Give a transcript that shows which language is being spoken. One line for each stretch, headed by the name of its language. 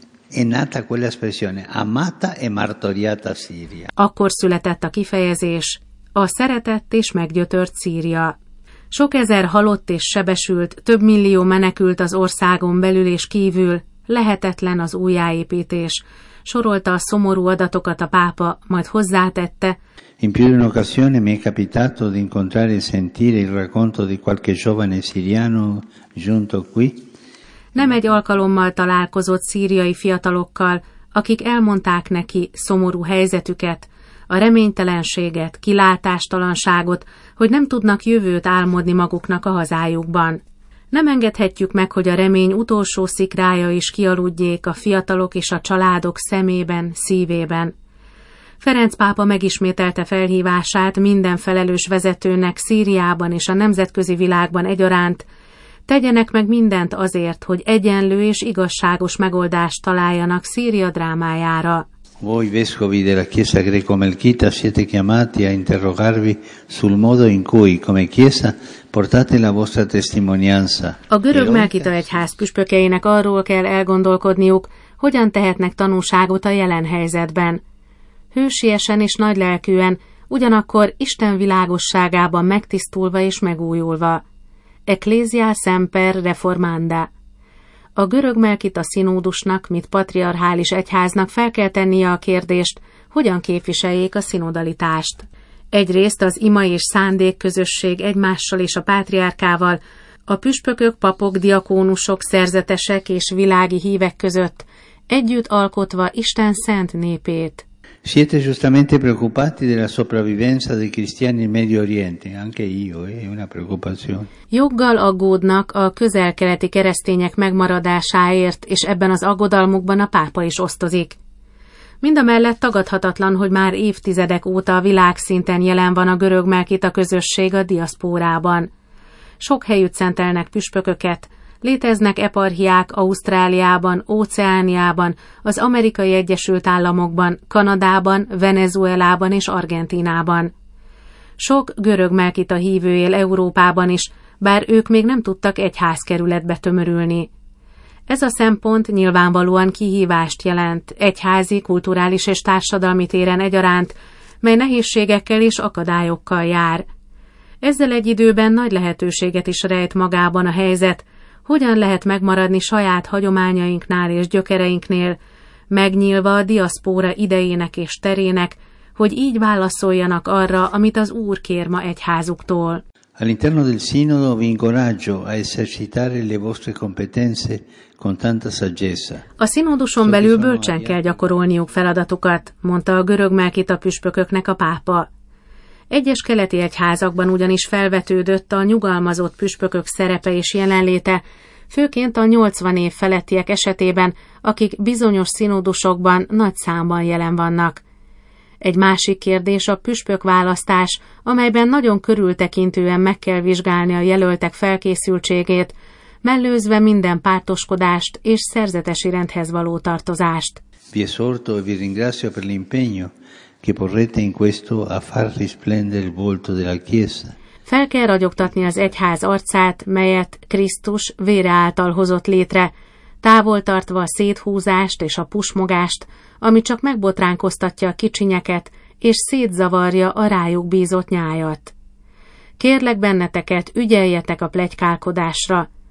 Italian: È nata quella espressione, amata e martoriata Siria.
Hungarian: Akkor született a kifejezés, a szeretett és meggyötört Szíria. Sok ezer halott és sebesült, több millió menekült az országon belül és kívül, lehetetlen az újjáépítés. Sorolta a szomorú adatokat a pápa, majd hozzátette.
Italian: In più di un'occasione mi è capitato di incontrare e sentire il racconto di qualche giovane siriano giunto qui.
Hungarian: Nem egy alkalommal találkozott szíriai fiatalokkal, akik elmondták neki szomorú helyzetüket, a reménytelenséget, kilátástalanságot, hogy nem tudnak jövőt álmodni maguknak a hazájukban. Nem engedhetjük meg, hogy a remény utolsó szikrája is kialudjék a fiatalok és a családok szemében, szívében. Ferenc pápa megismételte felhívását minden felelős vezetőnek Szíriában és a nemzetközi világban egyaránt, tegyenek meg mindent azért, hogy egyenlő és igazságos megoldást találjanak Szíria drámájára.
Italian: Voi vescovi della Chiesa greco-melchita siete chiamati a interrogarvi sul modo in cui come chiesa portate la vostra testimonianza.
Hungarian: A görög Melkita egyház püspökeinek arról kell elgondolkodniuk, hogyan tehetnek tanúságot a jelen helyzetben. Hősiesen és nagylelkűen, ugyanakkor Isten világosságában megtisztulva és megújulva.
Latin: Ecclesia semper reformanda.
Hungarian: A görög Melkita szinódusnak, mint patriarchális egyháznak fel kell tennie a kérdést, hogyan képviseljék a szinodalitást. Egyrészt az ima és szándék közösség egymással és a pátriárkával, a püspökök, papok, diakónusok, szerzetesek és világi hívek között, együtt alkotva Isten szent népét.
Italian: Siete giustamente preoccupati della sopravvivenza dei cristiani in Medio Oriente, anche io, è una preoccupazione.
Hungarian: Joggal aggódnak a közel-keleti keresztények megmaradásáért, és ebben az aggodalmukban a pápa is osztozik. Mindamellett tagadhatatlan, hogy már évtizedek óta világszinten jelen van a görög melkita közösség a diaszpórában. Sok helyütt szentelnek püspököket, léteznek eparhiák Ausztráliában, Óceániában, az Amerikai Egyesült Államokban, Kanadában, Venezuelában és Argentínában. Sok görög melkita hívő él Európában is, bár ők még nem tudtak egyházkerületbe tömörülni. Ez a szempont nyilvánvalóan kihívást jelent, egyházi, kulturális és társadalmi téren egyaránt, mely nehézségekkel és akadályokkal jár. Ezzel egy időben nagy lehetőséget is rejt magában a helyzet, hogyan lehet megmaradni saját hagyományainknál és gyökereinknél, megnyílva a diaszpóra idejének és terének, hogy így válaszoljanak arra, amit az Úr kér ma egyházuktól.
Italian: All'interno del sinodo vi incoraggio a esercitare le vostre competenze con tanta saggezza.
Hungarian: A szinoduson belül bölcsen kell gyakorolniuk feladatukat, mondta a görög melkita püspököknek a pápa. Egyes keleti egyházakban ugyanis felvetődött a nyugalmazott püspökök szerepe és jelenléte, főként a 80 év felettiek esetében, akik bizonyos szinodusokban nagy számban jelen vannak. Egy másik kérdés a püspök választás, amelyben nagyon körültekintően meg kell vizsgálni a jelöltek felkészültségét, mellőzve minden pártoskodást és szerzetesi rendhez való tartozást.
Italian: Vi esorto e vi ringrazio per l'impegno che porrete in questo a far risplendere il volto della Chiesa.
Hungarian: Fel kell ragyogtatni az egyház arcát, melyet Krisztus vére által hozott létre, távol tartva a széthúzást és a pusmogást, ami csak megbotránkoztatja a kicsinyeket, és szétzavarja a rájuk bízott nyájat. Kérlek benneteket, ügyeljetek a pletykálkodásra.